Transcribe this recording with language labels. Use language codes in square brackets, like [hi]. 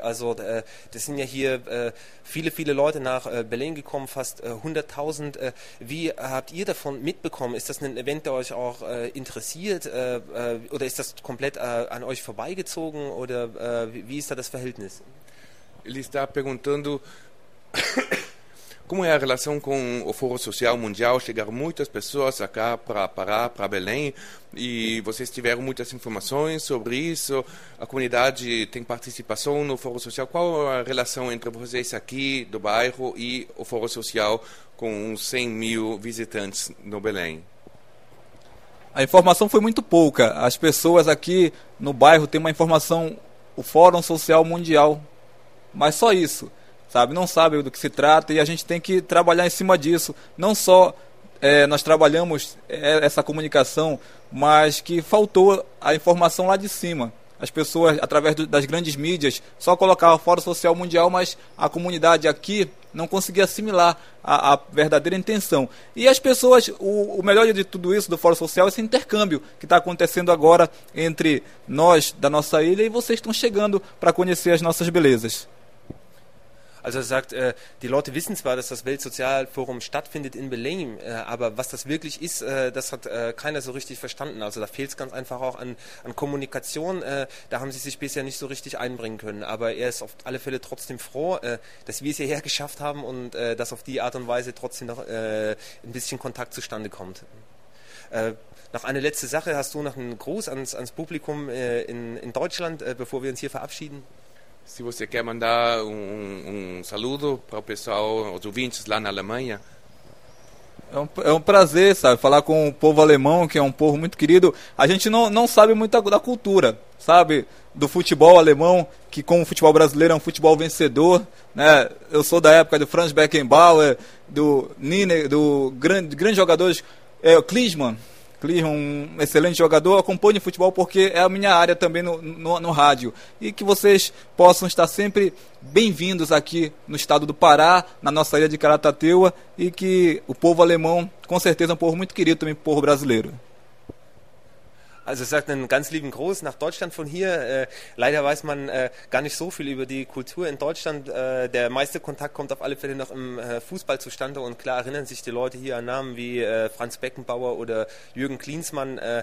[de] Also das sind ja hier viele, viele Leute nach Berlin gekommen, fast 100.000. Wie habt ihr davon mitbekommen? Ist das ein Event, der euch auch interessiert? Oder ist das komplett an euch vorbeigezogen? Oder wie ist da das Verhältnis? [pt] Ele está perguntando Como é a relação com o Foro Social Mundial? Chegaram muitas pessoas acá para Pará, para Belém, e vocês tiveram muitas informações sobre isso. A comunidade tem participação no Foro Social. Qual a relação entre vocês aqui do bairro e o Foro Social com 100 mil visitantes no Belém? A informação foi muito pouca. As pessoas aqui no bairro têm uma informação, o Fórum Social Mundial, mas só isso, sabe? Não sabem do que se trata, e a gente tem que trabalhar em cima disso. Não só nós trabalhamos essa comunicação, mas que faltou a informação lá de cima. As pessoas, através das grandes mídias, só colocavam Fórum Social Mundial, mas a comunidade aqui não conseguia assimilar a verdadeira intenção. E as pessoas, o melhor de tudo isso do Fórum Social é esse intercâmbio que está acontecendo agora entre nós da nossa ilha e vocês estão chegando para conhecer as nossas belezas. [de] Also sagt, die Leute wissen zwar, dass das Weltsozialforum stattfindet in Belém, aber was das wirklich ist, das hat keiner so richtig verstanden. Also da fehlt es ganz einfach auch an Kommunikation. Da haben sie sich bisher nicht so richtig einbringen können. Aber er ist auf alle Fälle trotzdem froh, dass wir es hierher geschafft haben und dass auf die Art und Weise trotzdem noch ein bisschen Kontakt zustande kommt. Noch eine letzte Sache. Hast du noch einen Gruß ans Publikum in Deutschland, bevor wir uns hier verabschieden? [pt] Se você quer mandar um saludo para o pessoal, os ouvintes lá na Alemanha. É um prazer, sabe, falar com o povo alemão, que é um povo muito querido. A gente não sabe muito da cultura, sabe, do futebol alemão, que como o futebol brasileiro é um futebol vencedor, né? Eu sou da época do Franz Beckenbauer, do Nine, do grandes jogadores, o Klinsmann. Clio, um excelente jogador, acompanhe futebol porque é a minha área também no rádio. E que vocês possam estar sempre bem-vindos aqui no estado do Pará, na nossa ilha de Caratatua, e que o povo alemão, com certeza, é um povo muito querido também para o povo brasileiro. [de] Also sagt einen ganz lieben Gruß nach Deutschland von hier. Leider weiß man gar nicht so viel über die Kultur in Deutschland. Der meiste Kontakt kommt auf alle Fälle noch im Fußball zustande. Und klar erinnern sich die Leute hier an Namen wie Franz Beckenbauer oder Jürgen Klinsmann.